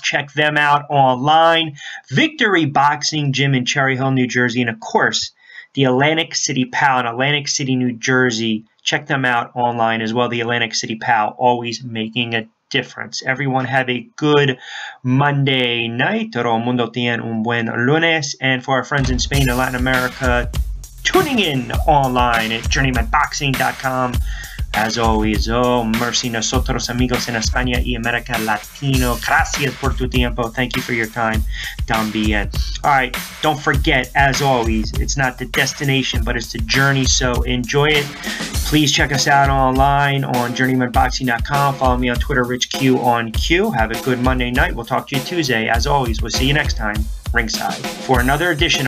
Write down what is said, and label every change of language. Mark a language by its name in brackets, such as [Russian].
[English] Check them out online. Victory Boxing Gym in Cherry Hill, New Jersey. And of course, the Atlantic City Pal in Atlantic City, New Jersey. Check them out online as well. The Atlantic City Pal, always making a difference. Everyone have a good Monday night. [Spanish] Todo el mundo tiene un buen lunes. [English] And for our friends in Spain and Latin America, tuning in online at journeymanboxing.com. As always, oh mercy, [Spanish] nosotros amigos en España y América Latino. Gracias por tu tiempo. [English] Thank you for your time, [Spanish] también. [English] All right, don't forget, as always, it's not the destination, but it's the journey, so enjoy it. Please check us out online on journeymanboxing.com. Follow me on Twitter, RichQ on Q. Have a good Monday night. We'll talk to you Tuesday. As always, we'll see you next time, ringside, for another edition.